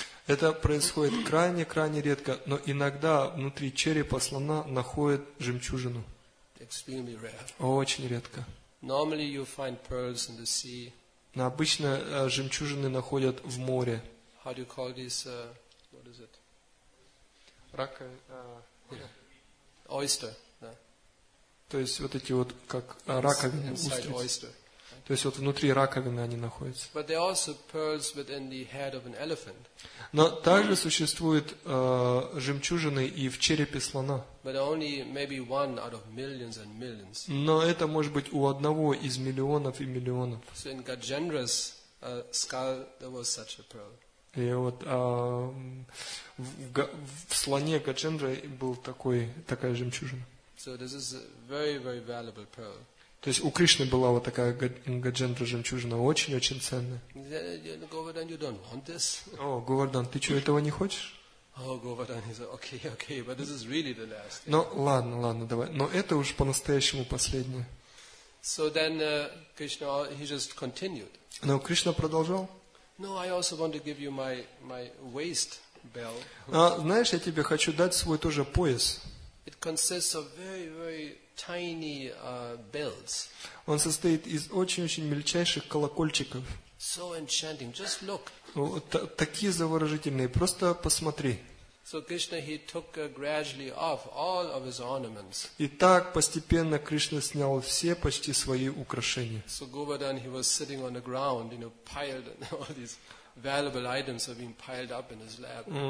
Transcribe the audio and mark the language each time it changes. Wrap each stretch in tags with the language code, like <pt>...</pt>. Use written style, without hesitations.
<ru>Это происходит крайне редко, но иногда внутри черепа слона находят жемчужину.</ru> <en>Extremely rare.</en> <ru>Очень редко.</ru> <en>Normally you find pearls in the sea.</en> <ru>Но обычно жемчужины находят в море.</ru> <en>How do you call these? What is it?</en> <ru>Рака.</ru> <en>Oyster.</en> <ru>То есть вот эти вот как раковины, устрицы. То есть вот внутри раковины они находятся.</ru> <en>But there are also pearls within the head of an elephant.</en> <ru>Но также существуют жемчужины и в черепе слона.</ru> <en>But only maybe one out of millions and millions.</en> <ru>Но это может быть у одного из миллионов и миллионов.</ru> <en>So in Gajendra's skull there was such a pearl.</en> <ru>И вот в слоне Гаджендры был такая жемчужина.</ru> <en>So this is a very, very valuable pearl.</en> <ru>То есть у Кришны была вот такая Гаджендра жемчужина, очень-очень ценная.</ru> <en>Говардан, you don't want this?</en> <ru>О, Говардан, ты что, этого не хочешь?</ru> <en>Oh, Govardhan, he said, okay, but this is really the last.</en> <ru>Но ладно, давай. Но это уж по-настоящему последнее.</ru> <en>So then Krishna, he just continued.</en> <ru>Но Кришна продолжал.</ru> <en>No, I also want to give you my waist bell.</en> <ru>А, знаешь, я тебе хочу дать свой тоже пояс.</ru> <en>It consists of very, very tiny bells.</en> <ru>Он состоит из очень-очень мельчайших колокольчиков.</ru> <en>So enchanting. Just look.</en> <ru>Такие заворожительные. Просто посмотри.</ru> <en>So Krishna he took gradually off all of his ornaments.</en> <ru>И так постепенно Кришна снял все почти свои украшения.</ru> <en>So Govardhan he was sitting on the ground, you know, piled all these valuable items are being piled up in his lap.</en>